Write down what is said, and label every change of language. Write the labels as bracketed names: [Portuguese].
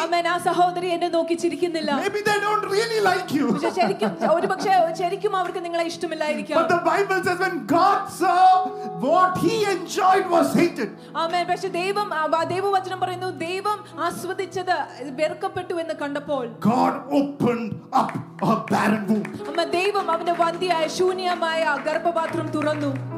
[Malayalam] അമ്മേ, ആ സഹോദരി എന്നെ നോക്കിച്ചിരിക്കുന്നില്ല. [English] Maybe they don't really like you. [Malayalam] ഒരുപക്ഷേ അവർക്ക് നിങ്ങളെ ഇഷ്ടമില്ലായിരിക്കാം. [English] But the Bible says when God saw what he enjoyed was hated. [Malayalam] അമ്മേ, പക്ഷേ ദൈവം ദൈവവചനം പറയുന്നു ദൈവം ആസ്വദിച്ചത് വെറുക്കപ്പെട്ടു എന്ന് കണ്ടപ്പോൾ [English] God opened up a barren womb. [Malayalam] അമ്മേ, ദൈവം അവന്റെ വന്ധ്യയായ ശൂന്യമായ ഗർഭപാത്രം തുറന്നു.